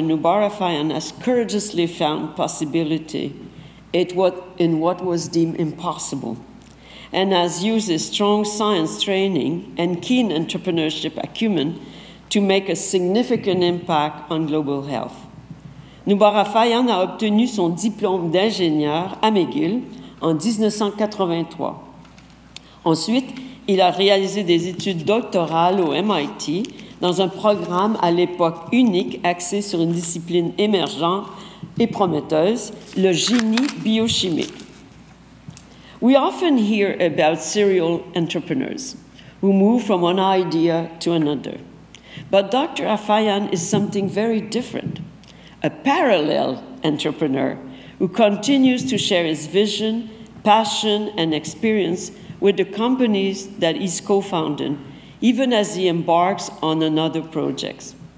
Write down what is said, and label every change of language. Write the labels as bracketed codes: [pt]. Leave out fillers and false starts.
[en] Noubar Afeyan has courageously found possibility in what was deemed impossible, and has used his strong science training and keen entrepreneurship acumen to make a significant impact on global health. [fr] Noubar Afeyan a obtenu son diplôme d'ingénieur à McGill en 1983. Ensuite, il a réalisé des études doctorales au MIT dans un programme à l'époque unique axé sur une discipline émergente et prometteuse, le génie biochimique. [en] We often hear about serial entrepreneurs who move from one idea to another. But Dr. Afeyan is something very different, a parallel entrepreneur who continues to share his vision, passion, and experience with the companies that he's co-founded, even as he embarks on another project.